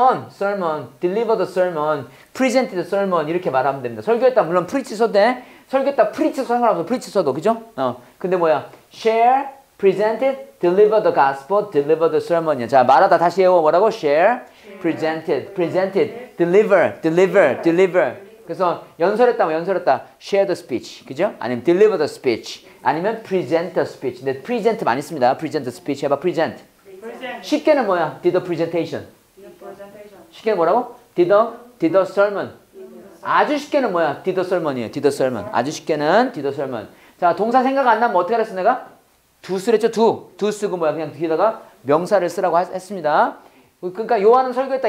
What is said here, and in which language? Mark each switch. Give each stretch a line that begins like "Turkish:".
English: sermon, deliver the sermon, presented the sermon,
Korean: 이렇게 말하면 됩니다. 설교했다, 물론 preach 써도 돼. 설교했다, preach 써도 상관없어, preach 써도, 그죠? 어. 근데 뭐야?
English: share, presented, deliver the gospel, deliver the sermon.
Korean: 자, 말하다 다시 해요. 뭐라고?
English: share, presented, deliver.
Korean: 그래서 연설했다.
English: share the speech, 그죠? 아니면 deliver the speech, 아니면 present the speech.
Korean: 근데 present 많이 씁니다.
English: present the speech 해봐, present. present.
Korean: 쉽게는 뭐야?
English: did the presentation.
Korean: 쉽게는 뭐라고?
English: Did the sermon.
Korean: 아주 쉽게는 뭐야?
English: Did the sermon이에요. Did the sermon.
Korean: 아주 쉽게는
English: Did the sermon.
Korean: 자, 동사 생각 안 나면 어떻게 알았어 내가? 두 쓰랬죠? 두. 두 쓰고 뭐야? 그냥 뒤에다가 명사를 쓰라고 했습니다. 그러니까 요한은 설교했다.